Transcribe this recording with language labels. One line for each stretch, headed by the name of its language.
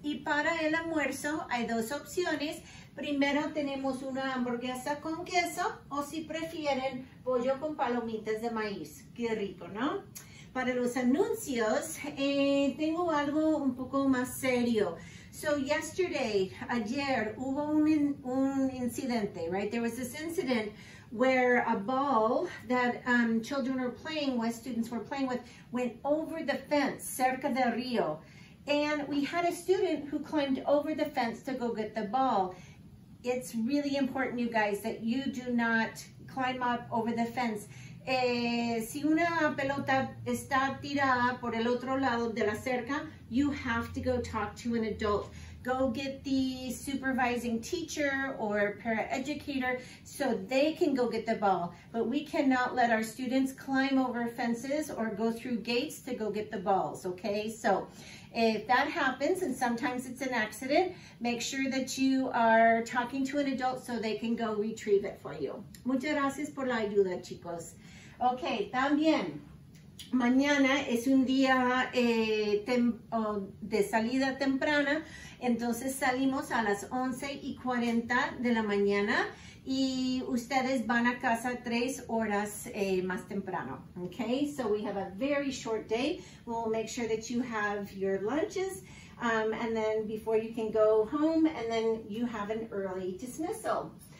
Spanish: Y para el almuerzo hay dos opciones. Primero tenemos una hamburguesa con queso o si prefieren pollo con palomitas de maíz. Qué rico, ¿no? Para los anuncios, tengo algo un poco más serio.
English: So yesterday,
Spanish: ayer, hubo un incidente, right?
English: There was this incident where a ball that children were playing with, students were playing with, went over the fence
Spanish: cerca del río.
English: And we had a student who climbed over the fence to go get the ball. It's really important, you guys, that you do not climb up over the fence.
Spanish: Si una pelota está tirada por el otro lado de la cerca,
English: you have to go talk to an adult. Go get the supervising teacher or paraeducator so they can go get the ball. But we cannot let our students climb over fences or go through gates to go get the balls, okay? So if that happens, and sometimes it's an accident, make sure that you are talking to an adult so they can go retrieve it for you.
Spanish: Muchas gracias por la ayuda, chicos. Okay, también, mañana es un día de salida temprana, entonces salimos a las 11:40 de la mañana y ustedes van a casa 3 horas más temprano.
English: Okay, so we have a very short day. We'll make sure that you have your lunches and then before you can go home and then you have an early dismissal.